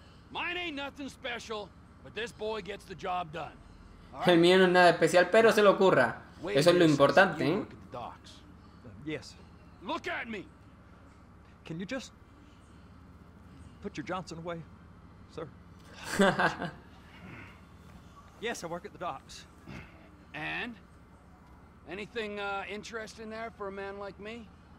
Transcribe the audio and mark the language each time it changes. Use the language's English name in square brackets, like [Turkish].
[English] Mine ain't nothing special, but this boy gets the job done. [Spanish] El mío no es nada especial, pero se lo curra. Eso es lo importante, ¿eh? [English] Yes. Look at me. Can you just put your Johnson away, sir? Yes, I work at the docks. And anything interesting there for a man like me?